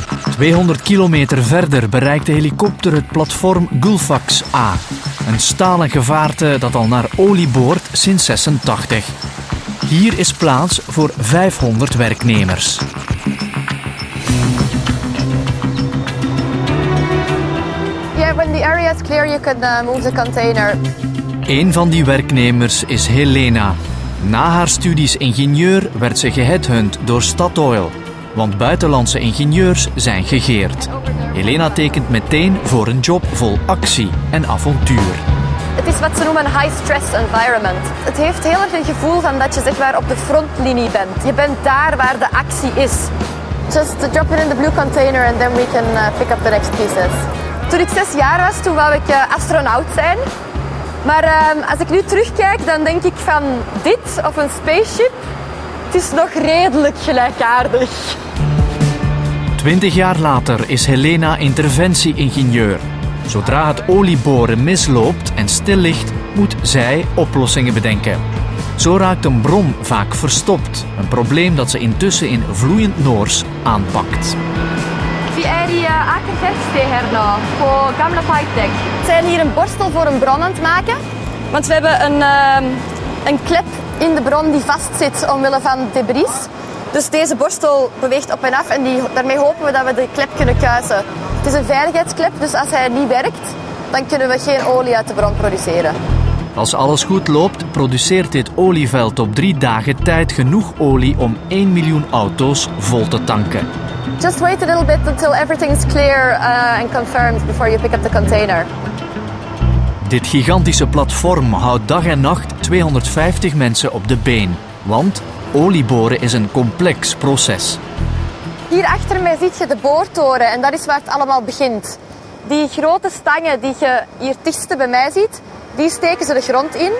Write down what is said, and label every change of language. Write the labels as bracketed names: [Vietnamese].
[Dutch] 200 kilometer verder bereikt de helikopter het platform Gullfaks A. Een stalen gevaarte dat al naar olie boort sinds 86. Hier is plaats voor 500 werknemers. [English] Yeah, when the area is clear, you can move the container. [Dutch] Een van die werknemers is Helena. Na haar studies ingenieur werd ze geheadhunt door Statoil. Want buitenlandse ingenieurs zijn gegeerd. Helena tekent meteen voor een job vol actie en avontuur. Het is wat ze noemen een high-stress environment. Het heeft heel erg een gevoel van dat je zeg maar op de frontlinie bent. Je bent daar waar de actie is. [English] Just drop it in the blue container and then we can pick up the next pieces. [Dutch] Toen ik 6 jaar was, toen wou ik astronaut zijn. Maar als ik nu terugkijk, dan denk ik van dit of een spaceship. Het is nog redelijk gelijkaardig. 20 jaar later is Helena interventie-ingenieur. Zodra het olieboren misloopt en stil ligt, moet zij oplossingen bedenken. Zo raakt een bron vaak verstopt. Een probleem dat ze intussen in vloeiend Noors aanpakt. We zijn hier een borstel voor een bron aan het maken. Want we hebben een klep in de bron die vastzit omwille van debris. Dus deze borstel beweegt op en af en daarmee hopen we dat we de klep kunnen kuisen. Het is een veiligheidsklep, dus als hij niet werkt, dan kunnen we geen olie uit de bron produceren. Als alles goed loopt, produceert dit olieveld op 3 dagen tijd genoeg olie om 1 miljoen auto's vol te tanken. [English] Just wait a little bit until everything is clear and confirmed before you pick up the container. [Dutch] Dit gigantische platform houdt dag en nacht 250 mensen op de been. Want olieboren is een complex proces. Hier achter mij zie je de boortoren en dat is waar het allemaal begint. Die grote stangen die je hier dichtst bij mij ziet, die steken ze de grond in.